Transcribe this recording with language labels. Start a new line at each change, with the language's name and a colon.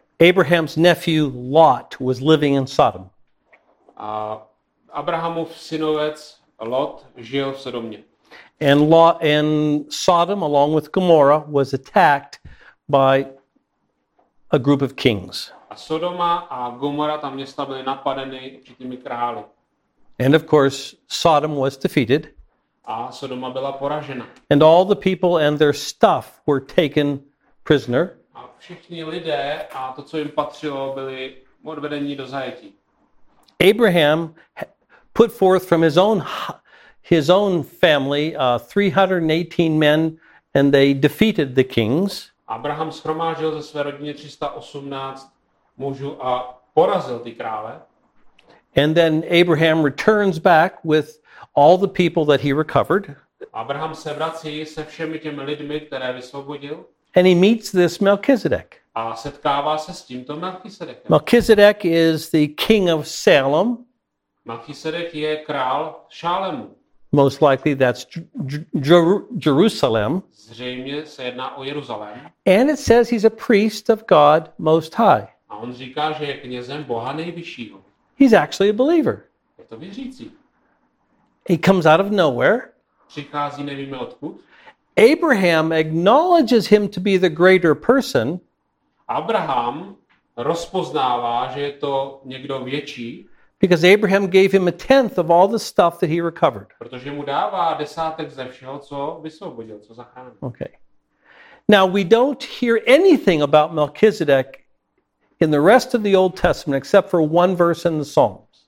English: Abraham's nephew Lot was living in Sodom.
Czech: Abrahamův synovec Lot žil v Sodomě.
English: And Lot and Sodom, along with Gomorrah, was attacked by a group of kings.
Czech: A Sodoma a Gomorra, ta města byly napadeny určitými králi.
English: And of course, Sodom was defeated.
Czech: A Sodoma byla poražena.
English: And all the people and their stuff were taken prisoner.
Czech: A všichni lidé a to, co jim patřilo, byli odvedeni do zajetí.
English: Abraham put forth from his own family 318 men and they defeated the kings.
Czech: Abraham shromáždil ze své rodiny 318 mužů a porazil ty krále.
English: And then Abraham returns back with all the people that he recovered.
Czech: Abraham se vrací se všemi těmi lidmi, které vysvobodil.
English: And he meets this Melchizedek.
Czech: A setkává se s tímto Melchizedekem.
English: Melchizedek is the king of Salem.
Czech: Melchizedek je král Šálemu.
English: Most likely that's Jerusalem.
Czech: Zřejmě se jedná o Jeruzalém.
English: And it says he's a priest of God Most High.
Czech: A on říká, že je knězem Boha nejvyššího.
English: He's actually a believer.
Czech: Je to věřící.
English: He comes out of nowhere.
Czech: Přichází nevíme odkud.
English: Abraham acknowledges him to be the greater person.
Czech: Abraham rozpoznává, že je to někdo větší.
English: Because Abraham gave him a tenth of all the stuff that he recovered.
Czech: Protože mu dává desátek ze všeho, co vysvobodil, co zachránil.
English: Okay. Now we don't hear anything about Melchizedek in the rest of the Old Testament except for one verse in the Psalms.